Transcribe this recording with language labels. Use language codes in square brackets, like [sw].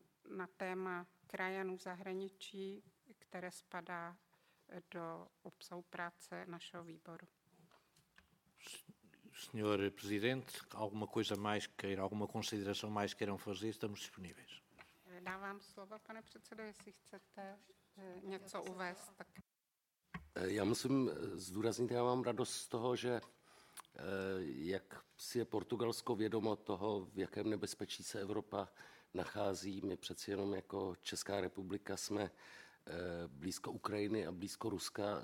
[cs] na téma krajanů zahraničí, které spadá do obsahu práce našeho výboru. [pt] Senhor Presidente, alguma coisa mais queira, alguma consideração mais queiram fazer, estamos disponíveis. [cs] Dávám slovo, pane předsedo, jestli chcete něco uvést. Tak... Já musím zdůraznit, já mám radost z toho, že jak si je Portugalsko vědomo toho, v jakém nebezpečí se Evropa nachází. My přeci jenom jako Česká republika jsme blízko Ukrajiny a blízko Ruska.